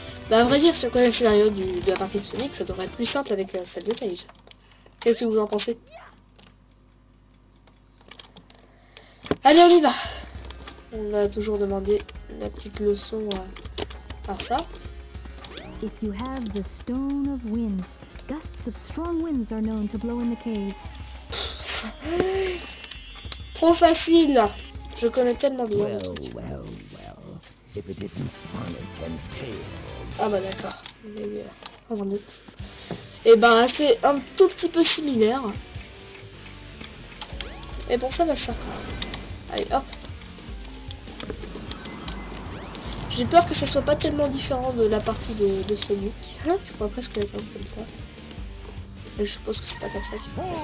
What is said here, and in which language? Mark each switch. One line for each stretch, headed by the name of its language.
French: Bah à vrai dire, si on connaît le scénario de la partie de Sonic, ça devrait être plus simple avec celle de Tails. Qu'est-ce que vous en pensez? Allez, on y va. On va toujours demander la petite leçon par ça.
English: If you have the stone of wind, gusts of strong winds are known to blow in the caves.
French: Trop facile. Je connais tellement bien.
English: Well, well, well. If it isn't Sonic and Tails.
French: Ah bah d'accord. On va note. Et ben bah, c'est un tout petit peu similaire. Et bon ça va se faire. Allez hop. J'ai peur que ça soit pas tellement différent de la partie de Sonic. Hein, je pourrais presque être un peu comme ça. Et je suppose que c'est pas comme ça qu'il faut.